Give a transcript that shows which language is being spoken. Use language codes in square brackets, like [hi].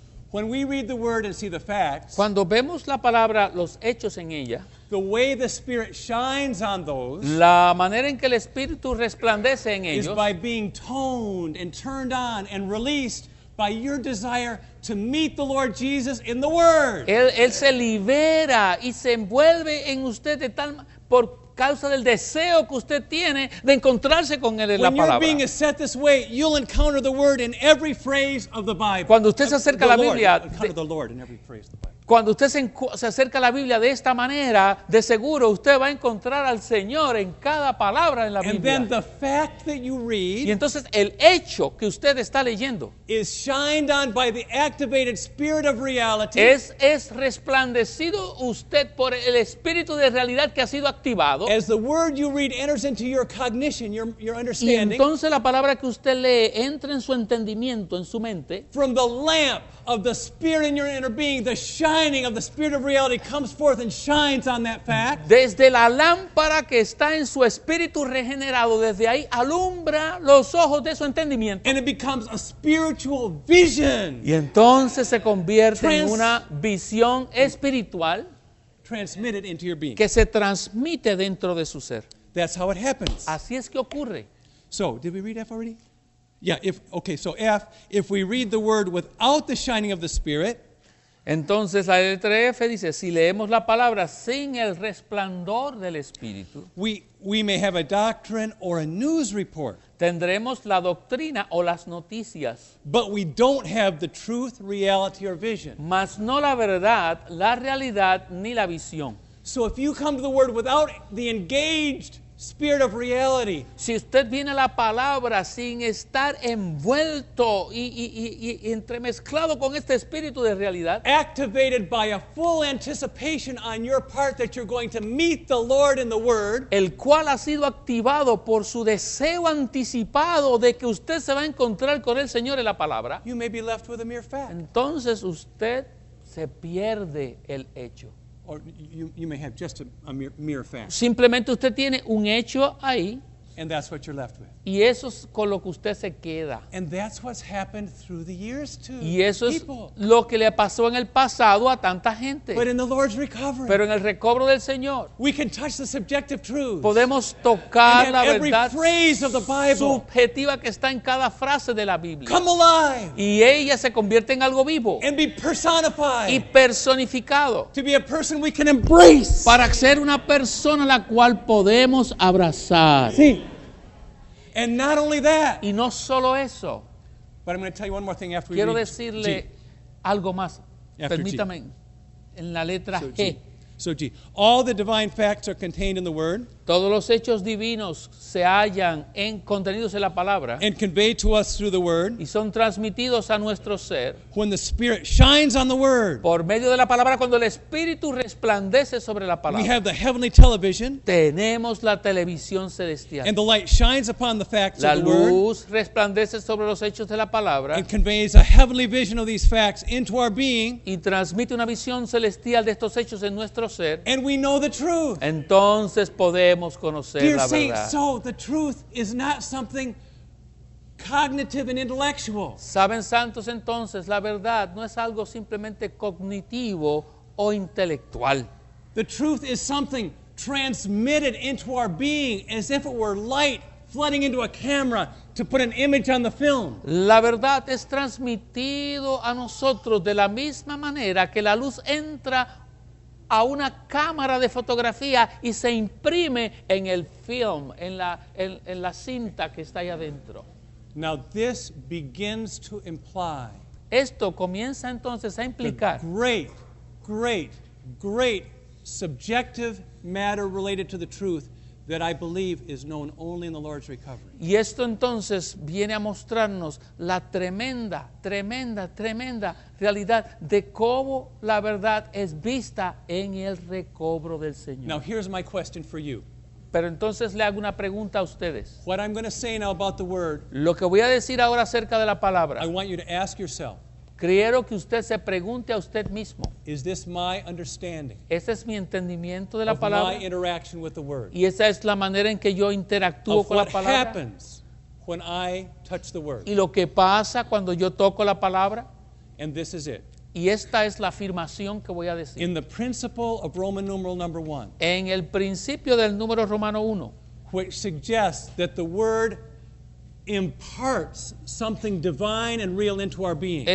[en] When we read the word and see the facts, [es] cuando vemos la palabra, los hechos en ella, [en] the way the Spirit shines on those, [es] la manera en que el Espíritu resplandece en ellos, [en] is by being toned and turned on and released by your desire to meet the Lord Jesus in the Word. [es] Él se libera y se envuelve en usted de tal por causa del deseo que usted tiene de encontrarse con él en [en] when [es] la palabra. [en] When you're being set this way, you'll encounter the Word in every phrase of the Bible. [es] Cuando usted se acerca a la Biblia, [en] encounter the Lord in every phrase of the Bible. [es] Cuando usted se acerca a la Biblia de esta manera, de seguro usted va a encontrar al Señor en cada palabra en la Biblia. [en] And then the fact that you read, [es] y entonces el hecho que usted está leyendo, [en] is shined on by the activated spirit of reality, [es] es resplandecido usted por el espíritu de realidad que ha sido activado. [en] As the word you read enters into your cognition, your understanding, [es] y entonces la palabra que usted lee entra en su entendimiento, en su mente. [en] From the lamp of the spirit in your inner being, the shining of the spirit of reality comes forth and shines on that fact. [es] Desde la lámpara que está en su espíritu regenerado, desde ahí alumbra los ojos de su entendimiento. [en] And it becomes a spiritual vision. [es] Y entonces se convierte en una visión espiritual [en] transmitted into your being. [es] Que se transmite dentro de su ser. [en] That's how it happens. [es] Así es que ocurre. [en] So, did we read F already? Yeah, if we read the word without the shining of the Spirit, [es] entonces la letra F dice, si leemos la palabra sin el resplandor del Espíritu, [en] we may have a doctrine or a news report. [es] Tendremos la doctrina o las noticias. [en] But we don't have the truth, reality, or vision. [es] Mas no la verdad, la realidad, ni la visión. [en] So if you come to the word without the engaged spirit of reality. [es] Si usted viene a la palabra sin estar envuelto y entremezclado con este espíritu de realidad. [en] Activated by a full anticipation on your part that you're going to meet the Lord in the Word. [es] El cual ha sido activado por su deseo anticipado de que usted se va a encontrar con el Señor en la palabra. [en] You may be left with a mere fact. [es] Entonces usted se pierde el hecho. [en] Or you may have just a mere fact. [es] Simplemente usted tiene un hecho ahí. [en] And that's what you're left with. [es] Y eso es con lo que usted se queda. [en] And that's what's happened through the years to people. [es] Y eso es lo que le pasó en el pasado a tanta gente. [en] But in the Lord's recovery. [es] Pero en el recobro del Señor. [en] We can touch the subjective truth. [es] Podemos tocar la verdad. [en] And every phrase of the Bible. [es] Subjetiva que está en cada frase de la Biblia. [en] Come alive. [es] Y ella se convierte en algo vivo. [en] And be personified. [es] Y personificado. [en] To be a person we can embrace. [es] Para ser una persona la cual podemos abrazar. [en] Sí. And not only that. [es] Y no solo eso. [en] But I'm going to tell you one more thing after we [es] quiero [en] read [es] decirle [en] G. [es] algo más. [en] After [es] permítame [en] G. [es] en la letra [en] so G. G. So G. All the divine facts are contained in the word. [es] Todos los hechos divinos se hallan en contenidos en la palabra. [en] And conveyed to us through the word. [es] Y son transmitidos a nuestro ser. [en] When the spirit shines on the word. [es] Por medio de la palabra cuando el espíritu resplandece sobre la palabra. [en] We have the heavenly television. [es] Tenemos la televisión celestial. [en] And the light shines upon the facts of the word. [es] La luz resplandece sobre los hechos de la palabra. [en] And conveys a heavenly vision of these facts into our being. [es] Y transmite una visión celestial de estos hechos en nuestro ser. [en] And we know the truth. [es] Entonces podemos conocer [en] dear [es] la verdad. [en] Saint, so the truth is not something cognitive and intellectual. [es] Saben santos entonces, la verdad no es algo simplemente cognitivo o intelectual. [en] The truth is something transmitted into our being as if it were light flooding into a camera to put an image on the film. [es] La verdad es transmitido a nosotros de la misma manera que la luz entra a una cámara de fotografía y se imprime en el film, en la cinta que está ahí adentro. [en] Now this begins to imply. [es] Esto comienza entonces a implicar. [en] The great, great, great subjective matter related to the truth that I believe is known only in the Lord's recovery. [es] Y esto entonces viene a mostrarnos la tremenda, tremenda, tremenda realidad de cómo la verdad es vista en el recobro del Señor. [en] Now here's my question for you. [es] Pero entonces le hago una pregunta a ustedes. [en] What I'm going to say now about the word. [es] Lo que voy a decir ahora acerca de la palabra. [en] I want you to ask yourself. [es] Quiero que usted se pregunte a usted mismo. [en] Is this my understanding? [es] Ese es mi entendimiento de la palabra. [en] My interaction with the word. [es] Y esa es la manera en que yo interactúo [en] of [es] con la palabra. [en] What happens when I touch the word. [es] Y lo que pasa cuando yo toco la palabra. [en] And this is it. [es] Y esta es la afirmación que voy a decir. [en] In the principle of Roman numeral number one. [es] En el principio del número romano 1. [en] Which suggests that the word imparts something divine and real into our being.